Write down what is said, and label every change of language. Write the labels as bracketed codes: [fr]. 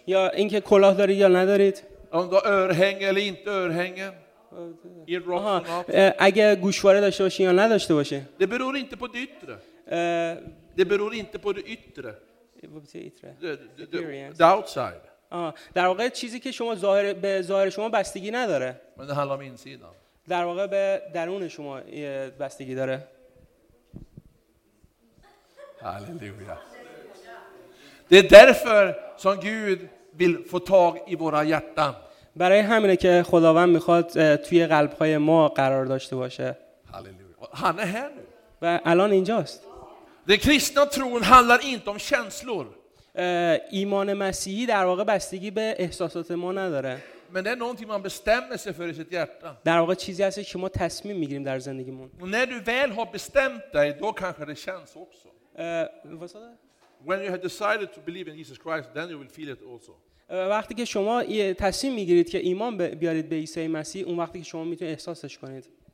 [fa] یا اینکه کلاه دارید یا ندارید؟ [sv] Om du har örhänge eller inte örhänge. I rocken. [fa] Äger gushvare داشته باشی یا نداشته باشی. [sv] Det beror inte på det yttre. Det beror inte på det yttre. Vad betyder yttre? [en] The outside. [fa] در واقع چیزی که شما ظاهر به ظاهر شما بستگی نداره. [sv] Men det handlar om insidan. [fa] در واقع به درون شما بستگی داره. [sv] Halleluja. Det är därför som Gud vill få tag i våra hjärtan. [fa] برای همینه که خداوند میخواد توی قلب‌های ما قرار داشته باشه. هللویا. و الان اینجاست. [sv] Den kristna tron handlar inte om känslor. [fa] ایمان مسیحی در واقع بستگی به احساسات ما نداره. [sv] Men det är någonting man bestämmer sig för i sitt hjärta. [fa] در واقع چیزی هست که ما تصمیم میگیریم در زندگیمون. [sv] När du väl har bestämt dig då kanske det känns också. Vad sa du? [en] When you have decided to believe in Jesus Christ, then you will feel it also. [fa] وقتی که شما تصمیم میگیرید که ایمان بیارید به عیسی مسیح، اون وقتی که شما میتونید احساسش کنید.